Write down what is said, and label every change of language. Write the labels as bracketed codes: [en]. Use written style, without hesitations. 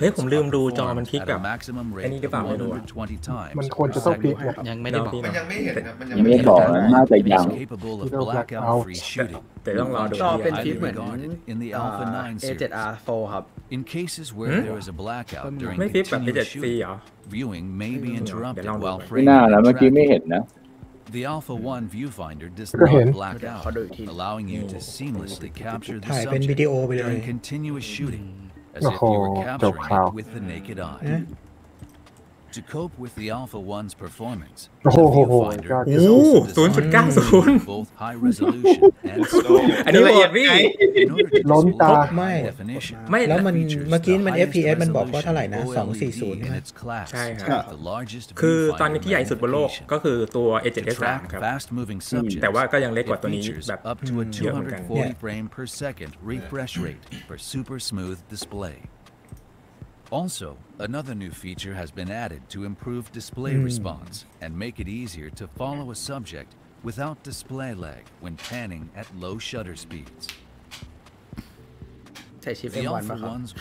[th] เฮ้ยผมลืมดูจอมันพลิกแบบไอ้นี่หรือเปล่าไม่รู้มันควรจะต้องพลิก ยังไม่ได้บอก ยังไม่เห็ น ยังไม่บอกน่าจะยังที่เรา แบล็คเอาท์ฟรีชูตติ้ง แต่ต้องรอดู จอเป็นพลิกเหมือนในอัลฟา9 A7R4 ครับ [en] In cases where there is a blackout during the shoot, viewing may be interrupted while framing. [th] ไม่น่านะเมื่อกี้ไม่เห็นนะ [en] The Alpha 1 viewfinder does not black out, allowing you to seamlessly capture the subject during continuous shooting, as if you were capturing it with the naked eye. To cope with the Alpha 1's performance, the viewfinder is also designed both high resolution and slow. [th] อันนี้ละเอียดพี่ ล้นตา ไม่แล้วมันเมื่อกี้มัน FPS มันบอกว่าเท่าไหร่นะ240 ใช่ครับคือตอนนี้ที่ใหญ่สุดบนโลกก็คือตัว A7S 3ครับแต่ว่าก็ยังเล็กกว่าตัวนี้แบบเยอะเหมือนกันเนี่ย [en] frame per second refresh rate for super smooth display also another new feature has been added to improve display response and make it easier to follow a subject without display lag when panning at low shutter speeds The Alpha 1's